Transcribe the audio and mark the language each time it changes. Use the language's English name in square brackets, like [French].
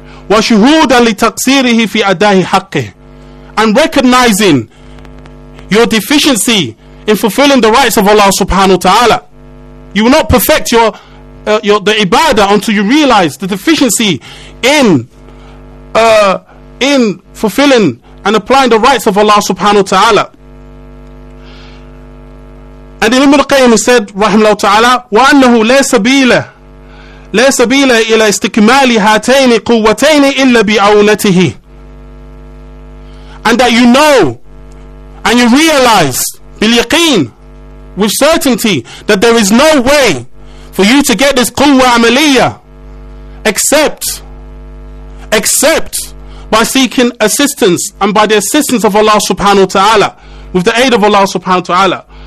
[Arabic] وَشُهُودًا لِتَقْصِيرِهِ فِي أَدَاهِ حَقِّهِ. [English] And recognizing your deficiency in fulfilling the rights of Allah subhanahu wa ta'ala. You will not perfect the ibadah until you realize the deficiency in fulfilling and applying the rights of Allah subhanahu wa ta'ala. And Ibn al-Qayyim said, [Arabic] rahimahullah ta'ala, وَأَنَّهُ لَا سَبِيلَ إِلَى إِسْتِكْمَالِ هَاتَيْنِ قُوَّتَيْنِ إِلَّا بِعَوْنَتِهِ. [English] And that you know and you realize بِالْيَقِينِ, with certainty, that there is no way for you to get this قُوَّة عَمَلِيَّة except by seeking assistance and by the assistance of Allah subhanahu wa ta'ala, with the aid of Allah subhanahu wa ta'ala.